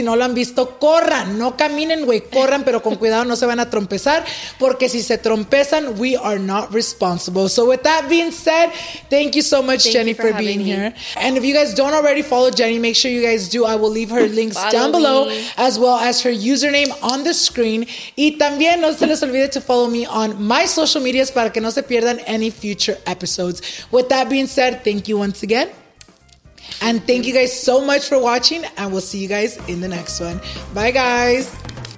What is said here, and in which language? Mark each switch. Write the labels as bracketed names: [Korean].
[Spanish] Si no lo han visto, corran. No caminen, güey, corran, pero con cuidado, no se van a trompezar, porque si se trompezan, [English] we are not responsible. So, with that being said, thank you so much, thank Jenny, for being me. Here. And if you guys don't already follow Jenny, make sure you guys do. I will leave her links down below, me. As well as her username on the screen. [Spanish] Y también no se les olvide [English] to follow me on my social medias [Spanish] para que no se pierdan [English] any future episodes. With that being said, thank you once again. And thank you guys so much for watching. And we'll see you guys in the next one. Bye, guys.